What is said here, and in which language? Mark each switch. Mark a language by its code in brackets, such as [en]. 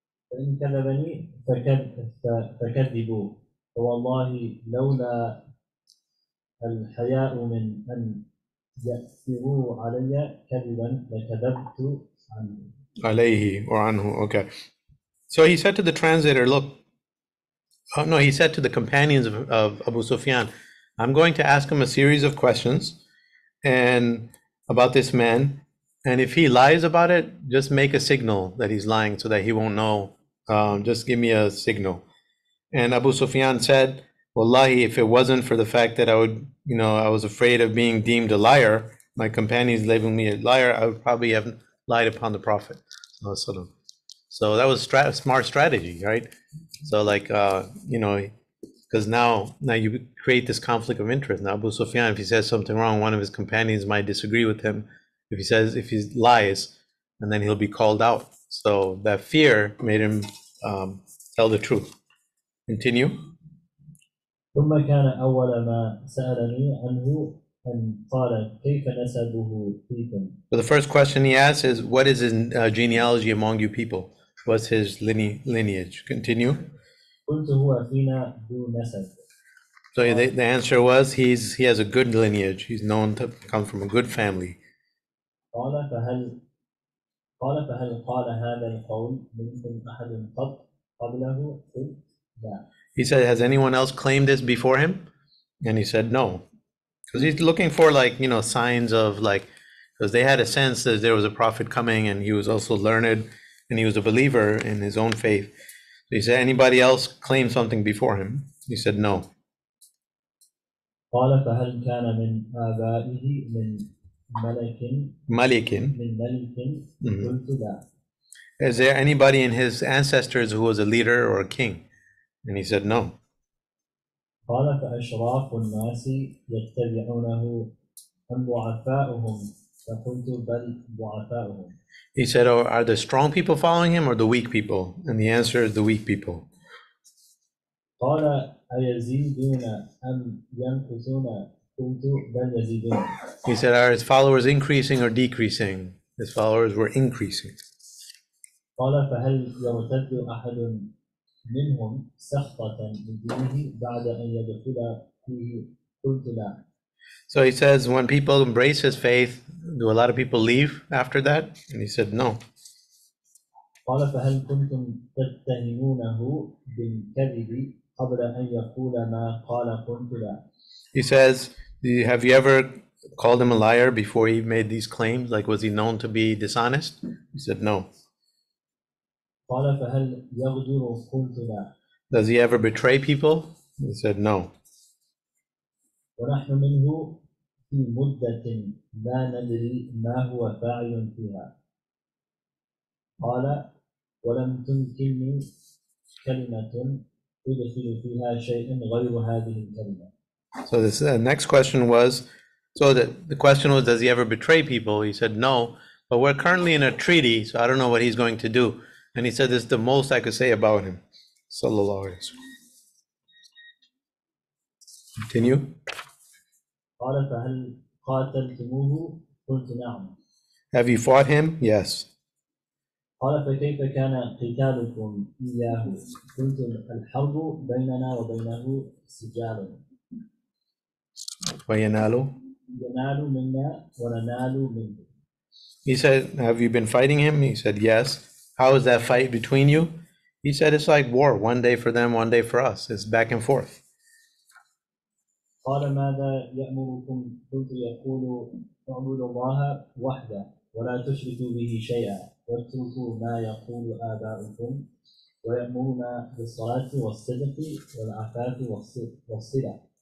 [ar] فإن كذبني فكذبوا فوالله لولا الحياء من أن يأثروا علي كذبا لكذبت عنه. [en] عليه or عنه. Okay. So he said to the translator, look, oh, no, he said to the companions of Abu Sufyan, I'm going to ask him a series of questions and about this man. And if he lies about it, just make a signal that he's lying so that he won't know. Just give me a signal. And Abu Sufyan said, wallahi, if it wasn't for the fact that I would, you know, I was afraid of being deemed a liar, my companions labeling me a liar, I would probably have lied upon the Prophet. So that was smart strategy, right? So like, you know, because now you create this conflict of interest. Now Abu Sufyan, if he says something wrong, one of his companions might disagree with him. If he lies, and then he'll be called out. So that fear made him tell the truth. Continue. [ar] ثم كان أول ما سألني عنه أن قال كيف نسبه فيكم. [en] So the first question he asks is, what is his genealogy among you people? What's his lineage? Continue. [ar] قلت هو فينا ذو نسب. [en] So the answer was he has a good lineage. He's known to come from a good family. [ar] قال فهل قال فهل قال هذا القول منكم أحد قط قبله؟ قلت لا. [en] He said, has anyone else claimed this before him? And he said, no. Because he's looking for like, you know, signs of like, because they had a sense that there was a prophet coming and he was also learned and he was a believer in his own faith. So he said, anybody else claim something before him? He said, no. [ar] قال فهل كان من آبائه من ملكين ملكين من ملكين قلت لا. [en] Is there anybody in his ancestors who was a leader or a king? And he said, no. [ar] قال فأشراف الناس يتبعونه أم ضعفاؤهم فقلت بل ضعفاؤهم. [en] He said, oh, are the strong people following him or the weak people? And the answer is the weak people. [ar] قال أيزيدون أم ينقصون قلت بل يزيدون. [en] He said, are his followers increasing or decreasing? His followers were increasing. [ar] قال فهل يرتد أحد منهم سخطة من دينه بعد أن يدخل فيه قلت لا. [en] So he says, when people embrace his faith, do a lot of people leave after that? And he said, no. [ar] قال فهل كنتم تتهمونه بالكذب قبل أن يقول ما قال قلت لا. [en] He says, have you ever called him a liar before he made these claims? Like, was he known to be dishonest? He said, no. [ar] قال فهل يغدر قلت لا. [en] Does he ever betray people? He said no. [ar] ونحن منه في مدة لا ندري ما هو فاعل فيها. قال ولم تنكلني كلمة تدخل فيها شيء غير هذه الكلمة. [en] So this next question was, so the question was, does he ever betray people? He said no, but we're currently in a treaty, so I don't know what he's going to do. And he said, this is the most I could say about him. [ar] Sallallahu alayhi wa sallam. [en] Continue. [ar] قال فهل قاتلتموه؟ قلت نعم. [en] Have you fought him? Yes. [ar] قال فكيف كان قتالكم إياه؟ قلت الحرب بيننا وبينه سجال. وينالو؟ ينالو منا وننالو منه. [en] He said, have you been fighting him? He said, yes. How is that fight between you? He said, it's like war, one day for them, one day for us. It's back and forth. [ar] قال ماذا يأمركم؟ قلت يقول اعبدوا الله وحده ولا تشركوا به شيئا واتركوا ما يقول آباؤكم ويأمرنا بالصلاة والصدق والعفاف والصلة.